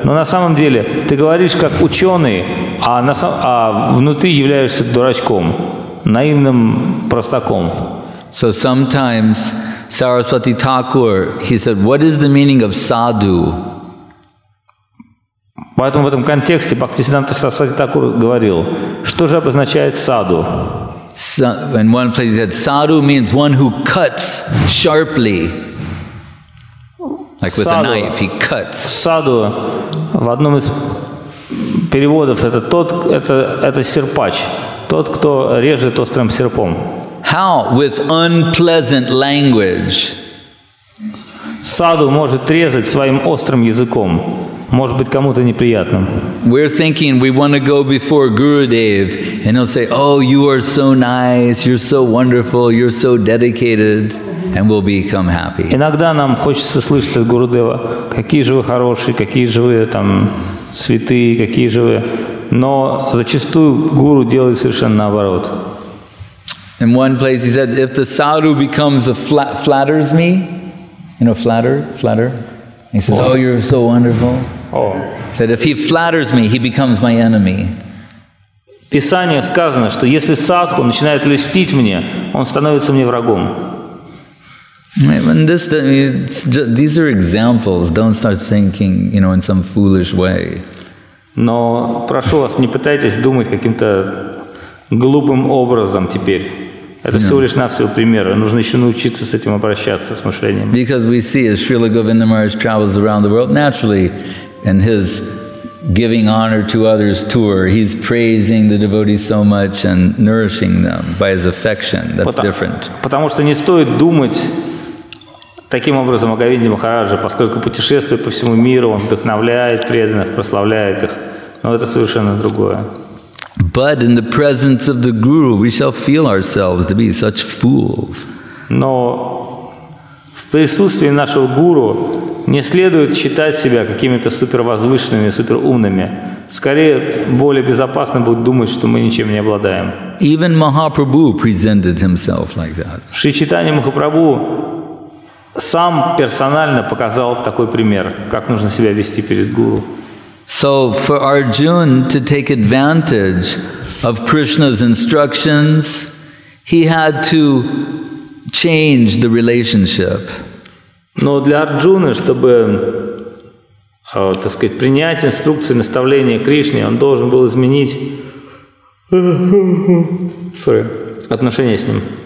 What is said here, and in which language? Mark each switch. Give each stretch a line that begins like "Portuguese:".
Russian: Но на самом деле ты говоришь как ученый, а внутри являешься дурачком, наивным простаком.
English: So sometimes Saraswati Thakur, he said, what is the meaning of sadhu?
Russian: Поэтому в этом контексте Бхактисиддханта Сарасвати Такур говорил, что же обозначает sadhu?
English: In one place he said, sadhu means one who cuts sharply. Like with sadhu. A knife, he cuts.
Russian: Sadhu в одном из переводов это тот, это серпач, тот, кто режет острым серпом.
English: How? With unpleasant language.
Russian: Саду может резать своим острым языком. Может быть, кому-то неприятным.
English: We're thinking we want to go before Gurudev, and he'll say, oh, you are so nice, you're so wonderful, you're so dedicated, and we'll become happy.
Russian: Иногда нам хочется слышать от Гурудева, какие же вы хорошие, какие же вы там святые, какие же вы... Но зачастую гуру делает совершенно наоборот.
English: In one place he said, if the sadhu becomes a flatters me, you know, flatter, he says, oh, you're so wonderful. Oh. He said, if he flatters me, he becomes my enemy.
Russian: В Писании сказано, что если садху начинает льстить мне, он становится мне врагом.
English: These are examples. Don't start thinking, you know, in some foolish way.
Russian: Но прошу вас, не пытайтесь думать каким-то глупым образом теперь. Это всего лишь навсего примеры. Нужно еще научиться с этим обращаться, с мышлением.
English: Because we see as Srila Govinda Maharaj travels around the world, naturally, in his giving honor to others tour, he's praising the devotees so much and nourishing them by his affection. That's different.
Russian: Потому что не стоит думать таким образом о Говинде Махарадже, поскольку путешествуя по всему миру, он вдохновляет преданных, прославляет их. Но это совершенно другое.
English: But in the presence of the Guru, we shall feel ourselves to be such fools.
Russian: Но в присутствии нашего Гуру не следует считать себя какими-то супервозвышенными, суперумными. Скорее, более безопасно будет думать, что мы ничем не обладаем.
English: Even Mahaprabhu presented himself like that.
Russian: Шри Чайтанья Махапрабху сам персонально показал такой пример, как нужно себя вести перед Гуру.
English: So for Arjuna to take advantage of Krishna's instructions, he had to change the relationship.
Russian: Но для Арджуны, чтобы, так сказать, принять инструкции, наставления Кришны, он должен был изменить отношения с ним.